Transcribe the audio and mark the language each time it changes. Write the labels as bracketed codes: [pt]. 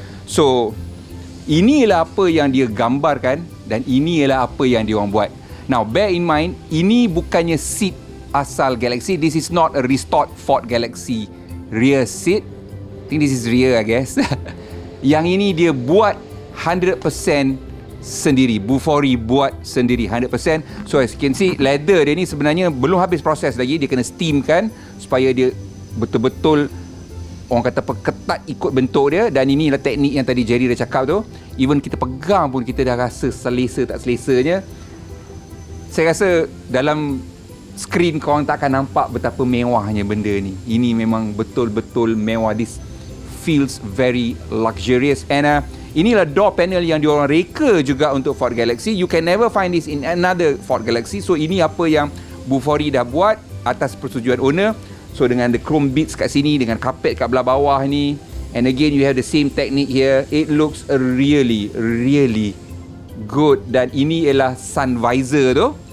[ms] So inilah apa yang dia gambarkan dan inilah apa yang dia orang buat. [en] Now bear in mind, [ms] ini bukannya seat asal Galaxy. [en] This is not a restored Ford Galaxy rear seat. I think this is rear, I guess. [ms] Yang ini dia buat 100% sendiri. Bufori buat sendiri 100%. [en] So as you can see, [ms] leather dia ni sebenarnya belum habis proses lagi. Dia kena steam kan supaya dia betul-betul, orang kata, perketat ikut bentuk dia. Dan inilah teknik yang tadi Jerry dah cakap tu. Even kita pegang pun kita dah rasa selesa tak selesanya. Saya rasa dalam screen korang tak akan nampak betapa mewahnya benda ni. Ini memang betul-betul mewah. [en] This feels very luxurious. [ms] And inilah door panel yang diorang reka juga untuk Ford Galaxy. [en] You can never find this in another Ford Galaxy. [ms] So ini apa yang Bufori dah buat atas persetujuan owner. So dengan the chrome beads kat sini, dengan carpet kat belah bawah ni. [en] And again, you have the same technique here. It looks really, really good. [ms] Dan ini ialah sun visor tu.